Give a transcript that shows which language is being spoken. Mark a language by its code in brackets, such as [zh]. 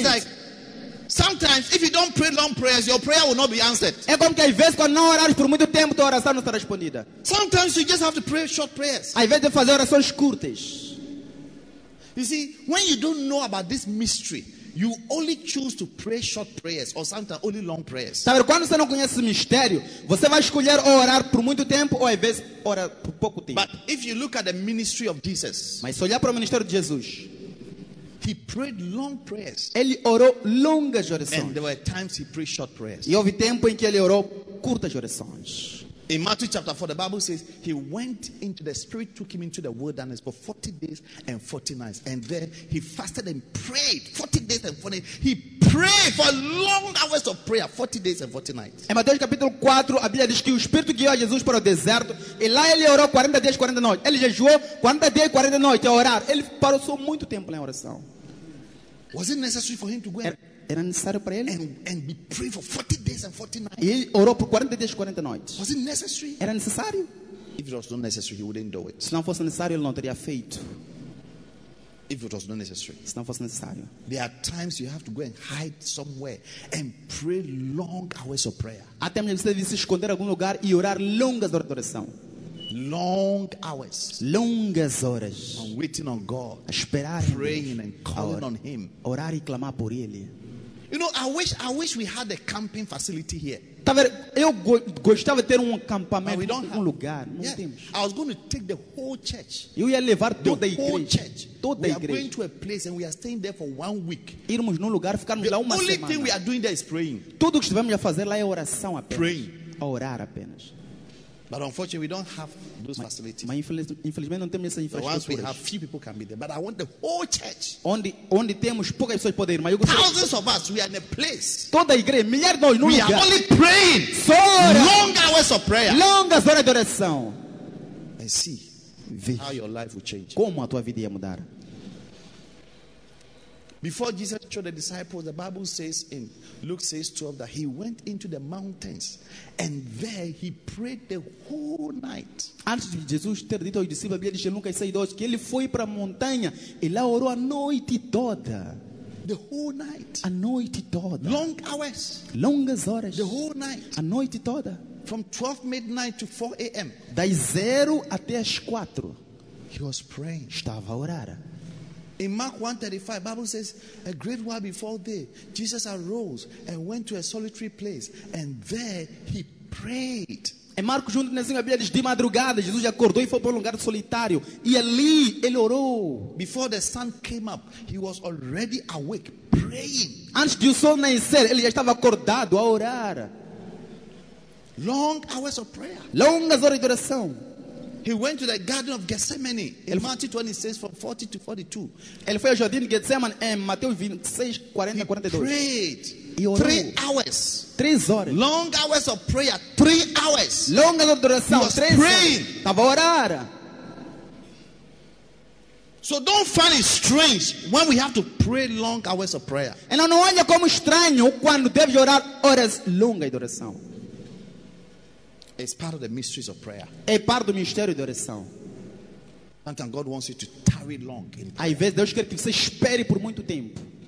[en] It's like, sometimes if you don't pray long prayers, your prayer will not be answered. [pt] É como que às vezes quando não orares por muito tempo, tua oração não será respondida. [en] Sometimes you just have to pray short prayers. [pt] Às vezes de fazer orações curtas. [en] You see, when you don't know about this mystery, you only choose to pray short prayers or sometimes only long prayers. [pt] Tá vendo? Quando você não conhece o mistério, você vai escolher ou orar por muito tempo ou às vezes orar por pouco tempo. [en] But if you look at the ministry of Jesus. [pt] Mas se olhar para o ministério de Jesus. [en] He prayed long prayers. [pt] Ele orou longas orações. [en] And there were times he prayed short prayers. [pt] E houve tempo em que ele orou curtas orações. [en] In Matthew chapter 4, the Bible says he went into the Spirit, took him into the wilderness for 40 days and 40 nights. And then he fasted and prayed 40 days and 40 nights. He prayed for long hours of prayer, 40 days and 40 nights. [pt] Em Mateus capítulo 4, a Bíblia diz que o Espírito guiou a Jesus para o deserto. E lá ele orou 40 dias e 40 noites. Ele jejuou 40 dias e 40 noites a orar. Ele parou muito tempo em oração. [en] Was it necessary for him to go [pt] and... Era necessário para ele? [en] And we pray for 40 days and 40 nights. [pt] E ele orou por 40 dias e 40 noites. [en] Was it necessary? [pt] Era necessário? [en] If it was not necessary, he wouldn't do it. [pt] Se não fosse necessário, ele não teria feito. [en] If it was not necessary. [pt] Se não fosse necessário. [en] There are times you have to go and hide somewhere and pray long hours of prayer. [pt] Até mesmo você deve se esconder em algum lugar e orar longas horas de oração. [en] Long hours. [pt] Longas horas. [en] I'm waiting on God. [pt] A esperar. [en] Praying and calling on him. [pt] Orar e clamar por ele. [en] You know, I wish we had a camping facility here. [pt] Tá vendo? Eu gostava de ter um acampamento, [en] we don't have, [pt] um lugar. Não temos. [en] I was going to take the whole church. [pt] Eu ia levar toda a igreja. [en] Whole church. [pt] Toda a igreja. [en] We are going to a place and we are staying there for 1 week. [pt] Irmos num lugar, ficarmos lá uma semana. [en] The only thing we are doing there is praying. [pt] Tudo que estivemos a fazer lá é oração apenas. [en] Praying. [pt] A orar apenas. [en] But unfortunately, we don't have those facilities. [pt] Infelizmente, não temos essa infraestrutura. [en] Once we have few people can be there, but I want the whole church. [pt] Onde temos poucas pessoas poder, mas eu gostaria. [en] Thousands of us, we are in a place. [pt] Toda a igreja, milhares de nós no lugar. [en] We are only praying. [pt] Só [en] long hours of prayer. [pt] Longas horas de oração. [en] And see how your life will change. [pt] Como a tua vida ia mudar? [en] Before Jesus showed the disciples, the Bible says in Luke 6:12 that he went into the mountains and there he prayed the whole night. [pt] Antes de Jesus ter dito aos discípulos, a Bíblia diz em Lucas 6:12 que ele foi para a montanha e lá orou a noite toda. [en] The whole night. [pt] A noite toda. [en] Long hours. [pt] Longas horas. [en] The whole night. [pt] A noite toda. [en] From 12 midnight to 4 a.m. [pt] Das 0 até as 4. [en] He was praying. [pt] Estava a orar. [en] In Mark 1:35, Bible says, a great while before day, Jesus arose and went to a solitary place, and there he prayed. [pt] Em Marcos 1:35, a Bíblia diz, de madrugada, Jesus acordou e foi para um lugar solitário, e ali ele orou. [en] Before the sun came up, he was already awake, praying. [pt] Antes do sol nascer, ele já estava acordado a orar. [en] Long hours of prayer. [pt] Longas horas de oração. [en] He went to the Garden of Gethsemane in Matthew 26, from 40 to 42. [pt] Ele foi ao Jardim de Getsemane em Mateus 26, 40 42. [en] He prayed. [pt] E orou. [en] 3 hours. [pt] 3 horas. [en] Long hours of prayer. 3 hours. [pt] Longas horas de oração. 3 horas. Tava a orar. [en] So don't find it strange when we have to pray long hours of prayer. [pt] E não olha como estranho quando deve orar horas longas de oração. [en] It's part of the mysteries of prayer. [pt] É parte do mistério da oração. [en] Sometimes God wants you to tarry long in prayer. [pt] Às vezes Deus quer que você espere por muito tempo.